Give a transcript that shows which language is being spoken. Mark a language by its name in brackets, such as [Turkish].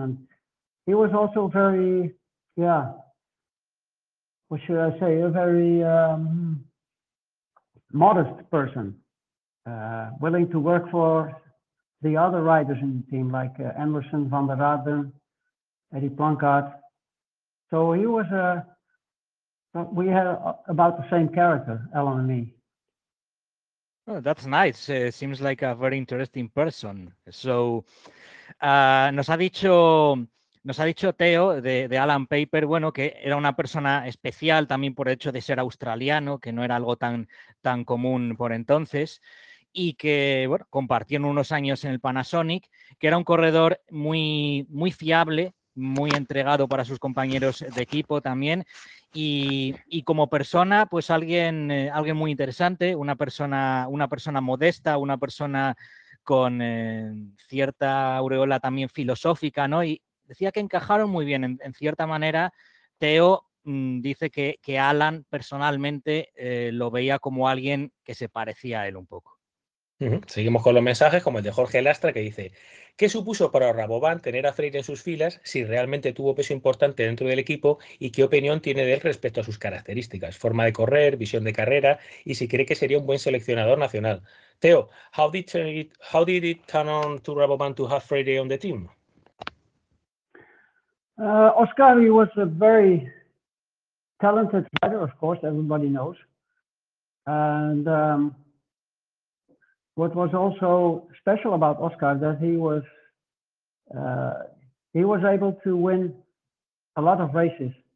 [English] And he was also very, what should I say, a very modest person, willing to work for the other riders in the team, like Emerson, Van der Raden, Eddie Plankaert. So he was a, we had about the same character, Alan and me. Oh, that's nice. Seems like a very interesting person. [Spanish] So nos ha dicho Teo de Alan Paper, bueno, que era una persona especial también por el hecho de ser australiano, que no era algo tan, tan común por entonces, y que, bueno, compartieron unos años en el Panasonic, que era un corredor muy, muy fiable, muy entregado para sus compañeros de equipo también, y como persona, pues alguien, alguien muy interesante, una persona modesta, una persona con cierta aureola también filosófica, ¿no? Y decía que encajaron muy bien, en cierta manera, Teo dice que Alan personalmente lo veía como alguien que se parecía a él un poco. Seguimos con los mensajes, como el de Jorge Lastra, que dice: ¿qué supuso para Rabobán tener a Freire en sus filas, si realmente tuvo peso importante dentro del equipo, y qué opinión tiene de él respecto a sus características, forma de correr, visión de carrera, y si cree que sería un buen seleccionador nacional? [English] Teo, how did it turn on to Rabobán to have Freire on the team? Oscar, he was a very talented rider, of course, everybody knows. And what was also special about Oscar, that he was able to win a lot of races.